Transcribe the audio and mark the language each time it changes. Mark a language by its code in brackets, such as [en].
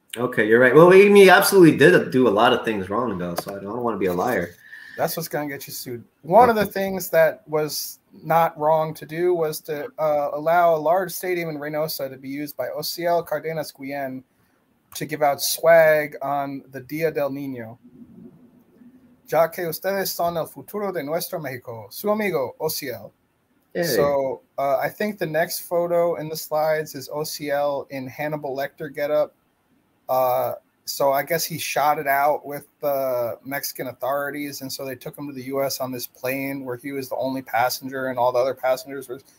[en] Okay, you're right. Well, Amy absolutely did do a lot of things wrong, though, so I don't want to be a liar. That's what's going to get you sued. One of the things that was not wrong to do was to allow a large stadium in Reynosa to be used by Ociel Cardenas Guillen to give out swag on the Dia del Niño. [es] Ya que ustedes son el futuro de nuestro México. Su amigo, Ociel. Hey. [en] So I think the next photo in the slides is OCL in Hannibal Lecter getup. So I guess he shot it out with the Mexican authorities. And so they took him to the U.S. on this plane where he was the only passenger and all the other passengers were